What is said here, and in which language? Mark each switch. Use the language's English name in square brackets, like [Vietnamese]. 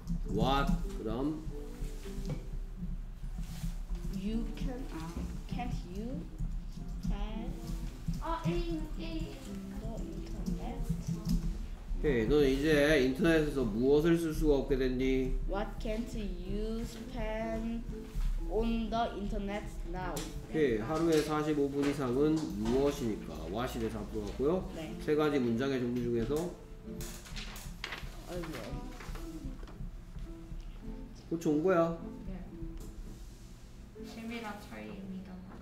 [English] What? [Korean] 그럼 [English] You can can't you can the internet? [Korean] 네, 너 이제 인터넷에서 무엇을 쓸 수가 없게 됐니? [English] What can't you spend on the internet now? [Korean] 네, 하루에 45분 이상은 무엇이니까 what이 돼서 앞으로고요. 네. 세 가지 문장의 종류 중에서. 아이고. 곧 좋은 거야. 네. 재미나 차이입니다.